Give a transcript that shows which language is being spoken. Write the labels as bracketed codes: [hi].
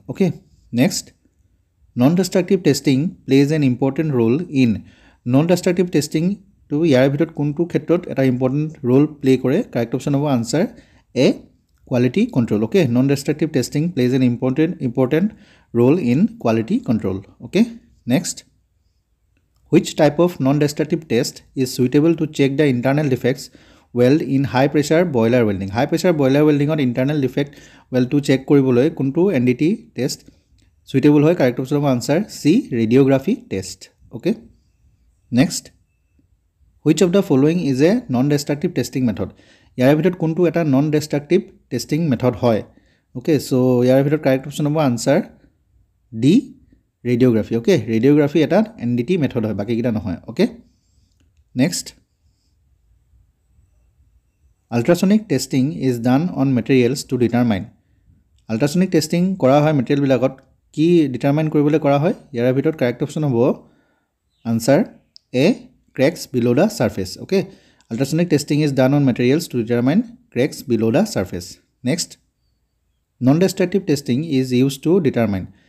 [en] Okay, next, non destructive testing plays an important role in. [as] Non destructive testing তো ইয়াৰ ভিতৰত কোনটো ক্ষেত্ৰত এটা ইম্পৰ্টেণ্ট ৰোল প্লে কৰে? [en] Correct option হ'ব answer A, quality control. Okay, non destructive testing plays an important role in quality control. Okay, next, which type of non destructive test is suitable to check the internal defects weld in high pressure boiler welding? [as] High pressure broiler ৱেল্ডিঙত internal defect ৱেল্ডটো check কৰিবলৈ কোনটো NDT test suitable হয়? [en] Correct option হ'ব answer C, radiography test. Okay, next, which of the following is a non-destructive testing method? [as] ইয়াৰ ভিতৰত কোনটো এটা non ডেষ্ট্ৰাকটিভ testing method হয়? Okay, চ' ইয়াৰ ভিতৰত correct option হ'ব আনচাৰ ডি, ৰেডিঅ'গ্ৰাফি। [en] okay, [as] ৰেডিঅ'গ্ৰাফি এটা NDT মেথড হয়, বাকীকেইটা নহয়। [en] Okay, next, ultrasonic testing is done on materials to determine. [as] Ultrasonic testing কৰা হয় মেটেৰিয়েলবিলাকত কি ডিটাৰমাইন কৰিবলৈ কৰা হয়? ইয়াৰ ভিতৰত [en] Correct option হ'ব answer A, cracks below the surface. Okay, ultrasonic testing is done on materials to determine cracks below the surface. Next, non-destructive testing is used to determine.